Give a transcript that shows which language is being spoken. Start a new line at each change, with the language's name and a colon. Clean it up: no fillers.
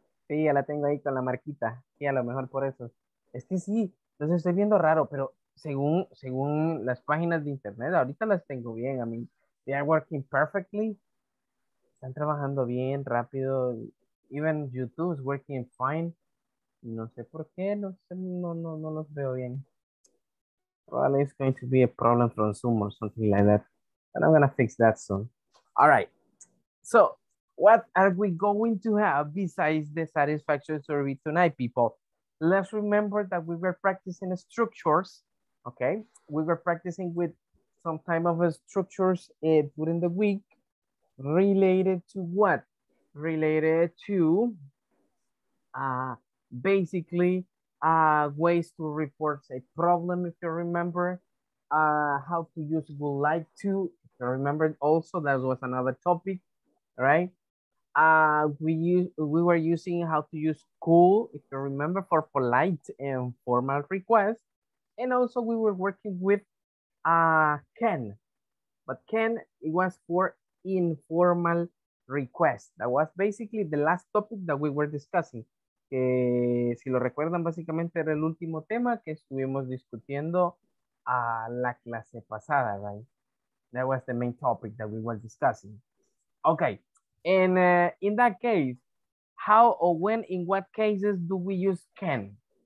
Spanish: Sí, ya la tengo ahí con la marquita. Sí, a lo mejor por eso. Sí, los estoy viendo raro, pero según las páginas de internet, ahorita las tengo bien.
English: I mean, they are working perfectly.
Spanish: Están trabajando bien, rápido.
English: Even YouTube is working fine.
Spanish: No sé por qué, no los veo bien.
English: Probably it's going to be a problem from Zoom or something like that. And I'm going to fix that soon. All right. So what are we going to have besides the satisfaction survey tonight, people? Let's remember that we were practicing structures, okay? We were practicing with some type of structures during the week related to what? Related to... Basically, ways to report a problem, if you remember, how to use would like to, if you remember also, that was another topic, right? We were using how to use cool, if you remember, for polite and formal requests. And also we were working with can, but can, it was for informal requests. That was basically the last topic that we were discussing.
Spanish: Si lo recuerdan, básicamente era el último tema que estuvimos discutiendo a la clase pasada, right?
English: That was the main topic that we were discussing. Okay, and in that case, how or when, in what cases do we use can?